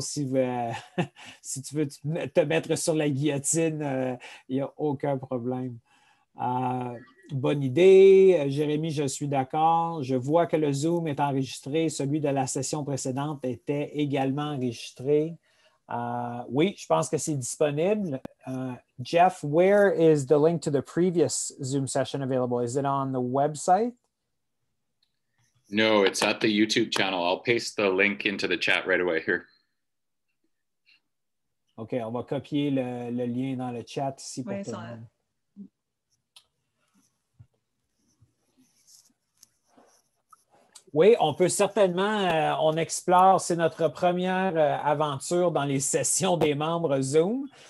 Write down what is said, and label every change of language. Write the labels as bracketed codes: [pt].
[fr] Si tu veux te mettre sur la guillotine, il n'y a aucun problème. Bonne idée. Jérémy, je suis d'accord. Je vois que le Zoom est enregistré. Celui de la session précédente était également enregistré. Oui, je pense que c'est disponible. [en] Jeff, where is the link to the previous Zoom session available? Is it on the website? No, it's at the YouTube channel. I'll paste the link into the chat right away here. [fr] OK, on va copier le lien dans le chat ici pour tout le monde. Oui, on peut certainement, on explore, c'est notre première aventure dans les sessions des membres Zoom.